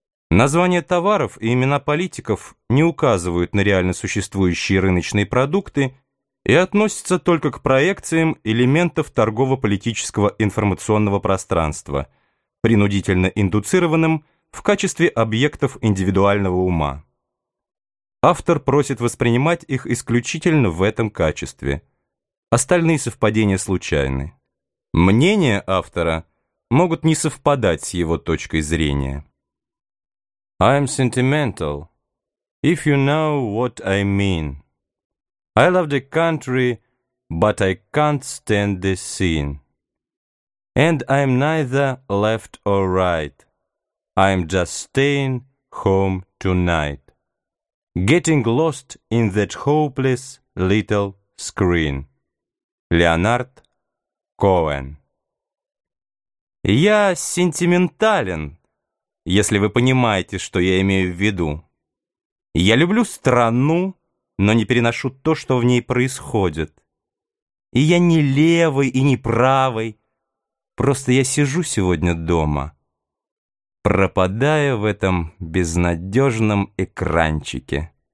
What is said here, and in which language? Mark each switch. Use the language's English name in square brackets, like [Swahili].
[Russian] Названия товаров и имена политиков не указывают на реально существующие рыночные продукты и относятся только к проекциям элементов торгово-политического информационного пространства, принудительно индуцированным в качестве объектов индивидуального ума. Автор просит воспринимать их исключительно в этом качестве. Остальные совпадения случайны. Мнения автора могут не совпадать с его точкой зрения. [English] I'm sentimental, if you know what I mean. I love the country, but I can't stand the scene. And I'm neither left or right. I'm just staying home tonight. Getting lost in that hopeless little screen. [Russian] Леонард Коэн. Я сентиментален, если вы понимаете, что я имею в виду. Я люблю страну, но не переношу то, что в ней происходит. И я не левый и не правый. Просто я сижу сегодня дома, пропадая в этом безнадежном экранчике.